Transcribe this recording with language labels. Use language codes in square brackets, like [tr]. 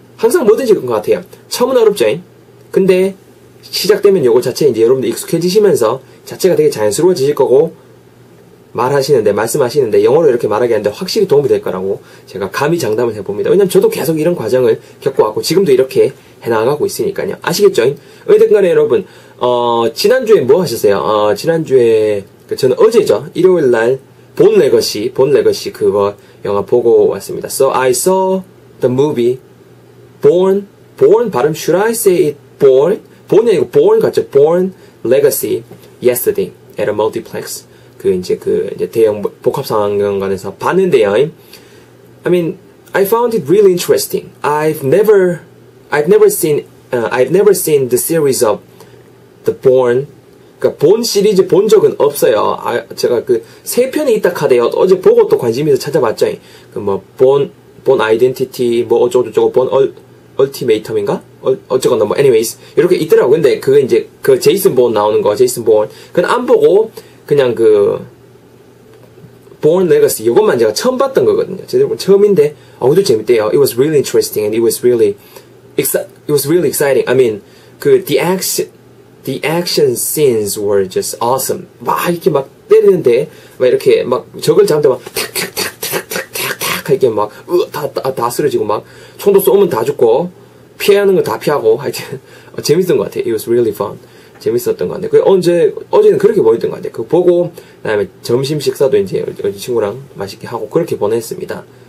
[ko] 항상 뭐든지 그런 것 같아요. 처음은 어렵죠. 근데 시작되면 요거 자체 이제 여러분들 익숙해지시면서 자체가 되게 자연스러워지실 거고 말하시는데 말씀하시는데 영어로 이렇게 말하게 하는데 확실히 도움이 될 거라고 제가 감히 장담을 해봅니다. 왜냐면 저도 계속 이런 과정을 겪어왔고 지금도 이렇게 해나가고 있으니까요. 아시겠죠? 어쨌든간에 여러분 지난주에 뭐 하셨어요? 지난주에 저는 어제죠. 일요일날 본 레거시 그거 영화 보고 왔습니다. [en] So I saw the movie Born 발음 should I say it Born? [ko] Born이 아니고 Born 같죠. Born Legacy [en] yesterday at a multiplex [ko] 그 이제 대형 복합 상영관에서 봤는데요. [en] I mean I found it really interesting. I've never seen the series of The Born. [ko] 그러니까 본 시리즈 본 적은 없어요. 제가 그 세 편이 있다 카대요. 어제 보고 또 관심 있어서 찾아봤죠. 그 뭐 본 아이덴티티 뭐 어쩌고저쩌고 본 얼티메이텀인가? 어쩌거나 뭐 anyways. 이렇게 있더라고. 근데 그게 이제 그 제이슨 본 나오는 거 제이슨 본. 그건 안 보고 그냥 그 Born Legacy 이것만 제가 처음 봤던 거거든요. 제대로 처음인데 그래도 재밌대요. [en] It was really interesting and it was really exciting. I mean, 그 the action scenes were just awesome. [ko] 막 이렇게 막 때리는데 막 이렇게 막 적을 잡는데 막 탁탁탁탁탁탁 이렇게 막 다 쓰러지고 막 총도 쏘면 다 죽고 피하는 거 다 피하고 하여튼 재밌었던 것 같아요. [en] It was really fun. [ko] 재밌었던 것 같아요. 그 어제는 그렇게 보였던 것 같아요. 그 보고 그다음에 점심 식사도 이제 친구랑 맛있게 하고 그렇게 보냈습니다.